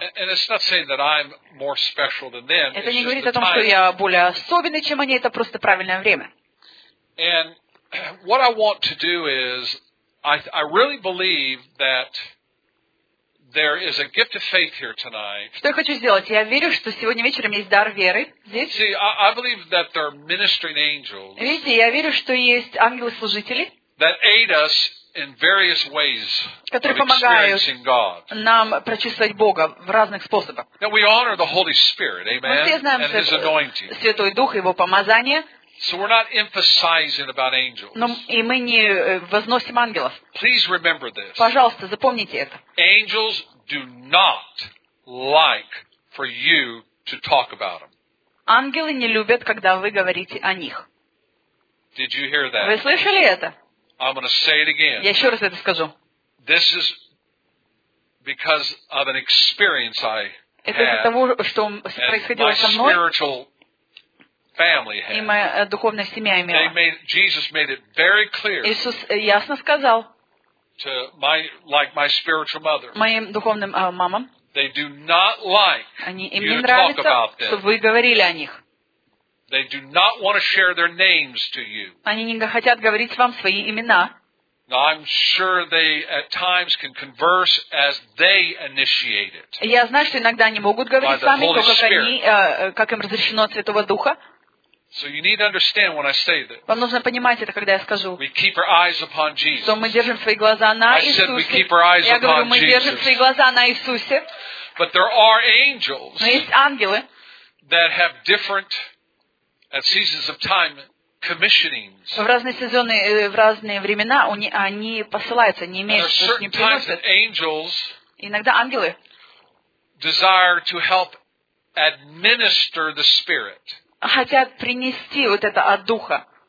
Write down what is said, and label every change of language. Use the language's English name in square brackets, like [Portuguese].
[English] And it's not saying that I'm more special than them. [Russian] Это не говорит о том, что я более особенный, чем они. Это просто правильное время. [English] And what I want to do is, I really believe that there is a gift of faith here tonight. [Russian] Что я хочу сделать? Я верю, что сегодня вечером есть дар веры здесь. [English] See, I believe that there are ministering angels. [Russian] Видите, я верю, что есть ангелы-служители. [English] That aid us in various ways of experiencing God. [Russian] Нам прочувствовать Бога в разных способах. [English] That we honor the Holy Spirit, amen. [Russian] Мы все знаем [English] and His anointing. [Russian] Святой Дух, Его помазание. [English] So we're not emphasizing about angels. [Russian] Но и мы не возносим ангелов. [English] Please remember this. [Russian] Пожалуйста, запомните это. [English] Angels do not like for you to talk about them. [Russian] Ангелы не любят, когда вы говорите о них. [English] Did you hear that? [Russian] Вы слышали это? [English] I'm going to say it again. [Russian] Я еще раз это скажу. [English] This is because of an experience I [Russian] это [English] had. [Russian] Это того, что происходило со мной. [English] My spiritual family had. [Russian] И моя духовная семья имела. [English] Jesus made it very clear. [Russian] Иисус ясно сказал. [English] To my like my spiritual mother. [Russian] Моим духовным мамам. [English] They do not like. [Russian] Они им не нравится, что вы говорили о них. [English] They do not want to share their names to you. [Russian] Они не хотят говорить вам свои имена. [English] Now I'm sure they at times can converse as they initiate it. [Russian] Я знаю, что иногда они могут говорить сами, только они, как им разрешено от Святого Духа. [English] So you need to understand when I say that. [Russian] Вам нужно понимать это, когда я скажу. [English] We keep our eyes upon Jesus. [Russian] Что мы держим свои глаза на Иисусе. [English] I said we keep our eyes upon Jesus. [Russian] Я говорю, мы держим свои глаза на Иисусе. [English] But there are angels. [Russian] Но есть ангелы. [English] That have different at seasons of time, commissionings. [Russian] В разные сезоны, в разные времена они посылаются, не имеют, то есть не приносят. Иногда ангелы [English] desire to help administer the Spirit. [Russian] Хотят принести вот это от Духа.